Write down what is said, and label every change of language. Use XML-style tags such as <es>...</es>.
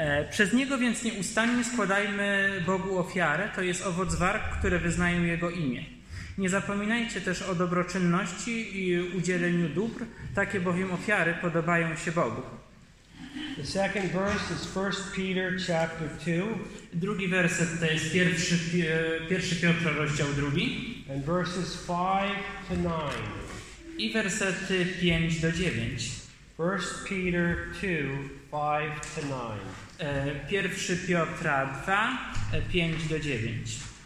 <pl>Przez niego więc nieustannie składajmy Bogu ofiarę, to jest owoc warg, które wyznają Jego imię. Nie zapominajcie też o dobroczynności i udzieleniu dóbr, takie bowiem ofiary podobają się Bogu.</pl> <en>The second verse is 1 Peter chapter 2.</en> <pl>Drugi werset to jest pierwszy Piotra, rozdział 2.</pl> <en>And verses 5 to 9.</en> <pl>I wersety 5 do 9.</pl> <en>1 Peter 2, 5 to 9.</en> <pl>Pierwszy Piotra 2, 5 do 9.</pl>